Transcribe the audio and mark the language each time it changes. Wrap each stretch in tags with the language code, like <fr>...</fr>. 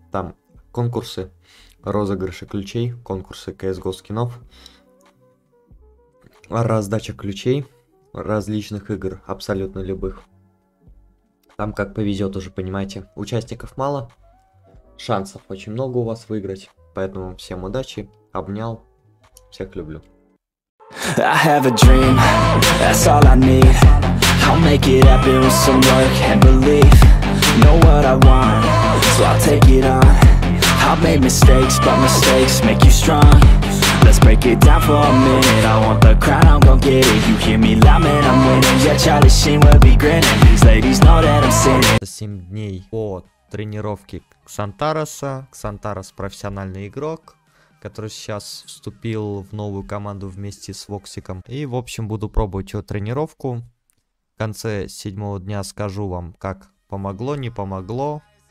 <ru>Там конкурсы, розыгрыши ключей, конкурсы CSGO скинов, раздача ключей различных игр, абсолютно любых. Там как повезет уже, понимаете. Участников мало. Шансов очень много у вас выиграть. Поэтому всем удачи. Обнял. Всех люблю.</ru> <en>I have a dream, that's all I need. I'll make it happen with some work and belief. Know what I want, so I'll take it on. I've made mistakes, but mistakes make you strong. Let's break it down for a minute. I want the crown, I'm gon' get it. You hear me loud, man, I'm winning. Yeah, Charlie Sheen will be grinning. These ladies know that I'm sinning.</en> <ru>7 дней по тренировке Ксантароса. Ксантарос профессиональный игрок, который сейчас вступил в новую команду вместе с Воксиком. И, в общем, буду пробовать его тренировку. В конце 7-го дня скажу вам, как помогло, не помогло.</ru>